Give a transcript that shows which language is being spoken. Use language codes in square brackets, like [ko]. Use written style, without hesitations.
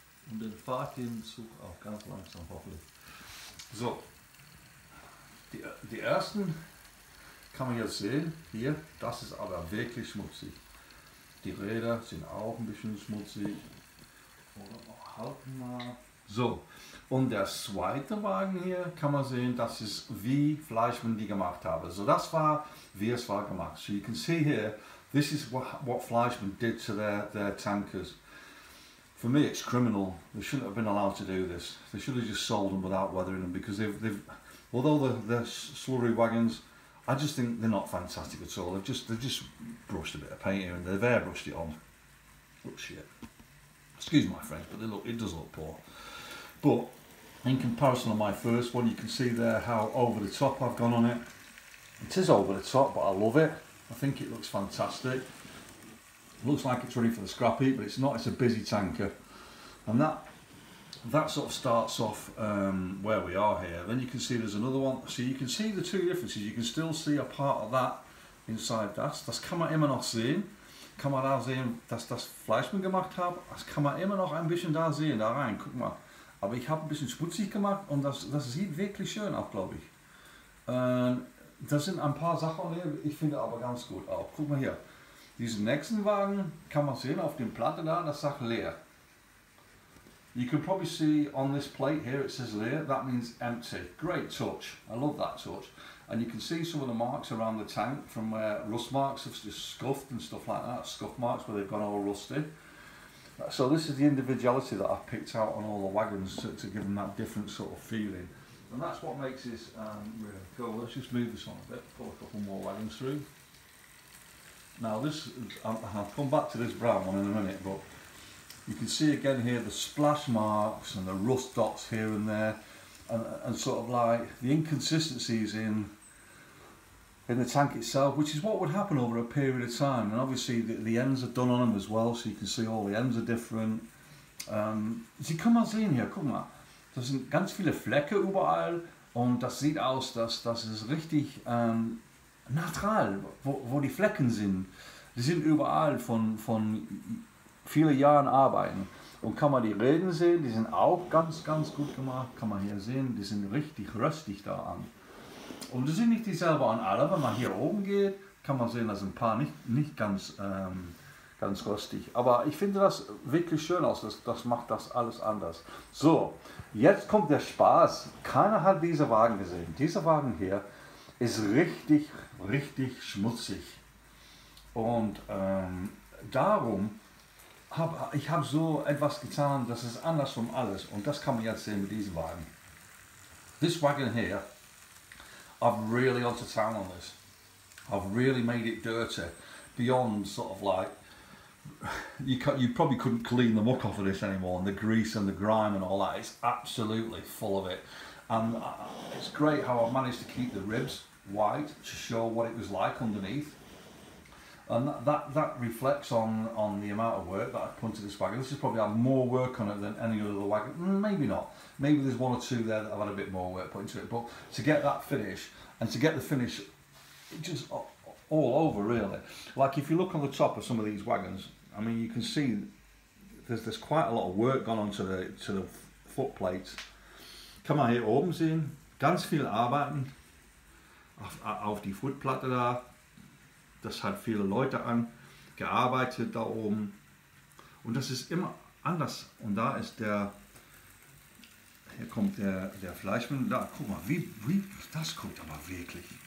[de] Und dann fahrt den Zug auch ganz langsam hoffentlich. So, die ersten kann man jetzt sehen, hier, das ist aber wirklich schmutzig. Die Räder sind auch ein bisschen schmutzig. Oder halten mal. So, und der zweite Wagen hier kann man sehen, das ist wie Fleischmann die gemacht habe. So, das war, wie es war gemacht. [en] So, you can see here, this is what Fleischmann did to their tankers. For me, it's criminal. They shouldn't have been allowed to do this. They should have just sold them without weathering them, because although they're slurry wagons, I just think they're not fantastic at all. They've just brushed a bit of paint here and they've airbrushed it on. Look shit. Excuse my French, but it does look poor. But in comparison to my first one, you can see there how over the top I've gone on it. It is over the top, but I love it. I think it looks fantastic. It looks like it's ready for the scrap heap, but it's not. It's a busy tanker. And that sort of starts off where we are here. Then you can see there's another one. So you can see the two differences. You can still see a part of that inside that. [de] Das kann man immer noch sehen. Kann man da sehen, dass das Fleischmann gemacht hat. Das kann man immer noch ein bisschen da sehen, da rein, guck mal. Aber ich habe ein bisschen schmutzig gemacht und das sieht wirklich schön aus, glaube ich. Das sind ein paar Sachen hier, ich finde aber ganz gut auch. Guck mal hier, diesen nächsten Wagen kann man sehen auf dem Platte da, das sagt leer. You can probably see on this plate here it says leer, that means empty. Great touch, I love that touch. And you can see some of the marks around the tank from where rust marks have just scuffed and stuff like that, scuff marks where they've gone all rusted. So this is the individuality that I've picked out on all the wagons to give them that different sort of feeling. And that's what makes this really cool. Let's just move this on a bit, pull a couple more wagons through. Now this, I'll come back to this brown one in a minute, but you can see again here the splash marks and the rust dots here and there. And sort of like the inconsistencies in the tank itself, which is what would happen over a period of time. And obviously the ends are done on them as well, so you can see all the ends are different. Sie kann man sehen hier, guck mal, da sind ganz viele Flecke überall und das sieht aus, dass das ist richtig neutral, wo die Flecken sind. Die sind überall von vielen Jahren arbeiten. Und kann man die Räder sehen, die sind auch ganz, ganz gut gemacht, kann man hier sehen, die sind richtig röstig da an. Und das sind nicht dieselbe an alle, wenn man hier oben geht, kann man sehen, da sind ein paar nicht ganz, ganz röstig. Aber ich finde das wirklich schön aus, das macht das alles anders. So, jetzt kommt der Spaß, keiner hat diese Wagen gesehen. Dieser Wagen hier ist richtig, richtig schmutzig. Und darum... Ich habe so etwas getan, das ist anders von alles und das kann man jetzt sehen mit diesem Wagen. [en] This wagon here, I've really gone to town on this. I've really made it dirty, beyond sort of like, you probably couldn't clean the muck off of this anymore, and the grease and the grime and all that, it's absolutely full of it. And it's great how I've managed to keep the ribs white to show what it was like underneath. And that reflects on the amount of work that I put into this wagon. This has probably had more work on it than any other wagon. Maybe not. Maybe there's one or two there that have had a bit more work put into it. But to get that finish, and to get the finish just all over, really. Like, if you look on the top of some of these wagons, I mean, you can see there's quite a lot of work gone on to the foot plates. Come on, here [de] oben sehen, ganz viel arbeiten auf die Footplatte da. Das hat viele Leute angearbeitet da oben. Und das ist immer anders. Und da ist der, hier kommt der Fleischmann, da, guck mal, wie das guckt aber wirklich.